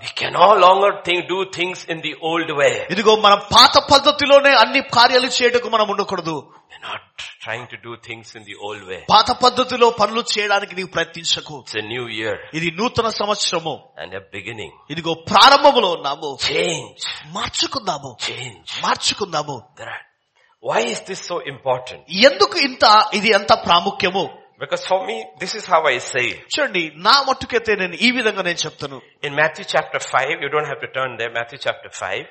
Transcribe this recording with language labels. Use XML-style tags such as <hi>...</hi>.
<en>We can no longer do things in the old way.</en> <te>ఇదిగో మనం పాత పద్ధతిలోనే అన్ని కార్యాలు చేయడానికి మనం ఉండకూడదు.</te> <en>We are not trying to do things in the old way.</en> <te>పాత పద్ధతిలో పనులు చేయడానికి నీవు ప్రయత్నించకు.</te> <en>It's a new year.</en> <te>ఇది నూతన సంవత్సరము.</te> <en>And a beginning.</en> <te>ఇదిగో ప్రారంభములో ఉన్నాము.</te> <en>Change.</en> <te>మార్చుకుందాము.</te> <en>Change.</en> <te>మార్చుకుందాము.</te> <en>Why is this so important?</en> <te>ఎందుకు ఇంత ఇది అంత ప్రాముఖ్యము?</te> <en>Because for me, this is how I say.</en> <te>చూడండి నా మట్టుకైతే నేను ఈ విధంగా నేను చెప్తాను.</te> <en>In Matthew chapter 5, you don't have to turn there. Matthew chapter 5.</en>